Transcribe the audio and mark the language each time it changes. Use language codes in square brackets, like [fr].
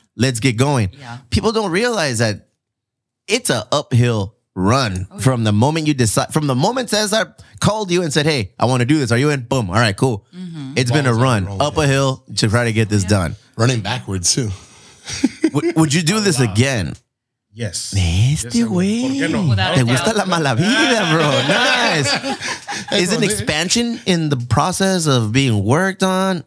[en] Let's get going. Yeah. People don't realize that it's a uphill run from the moment you decide. From the moment Cesar called you and said, hey, I want to do this. Are you in? Boom. All right, cool. Mm-hmm. It's been a run up a hill to try to get this done. Running backwards, too. would you do this again? Yes. [es] Este güey. Te gusta la mala vida, bro. Nice. [en] is an expansion in the process of being worked on.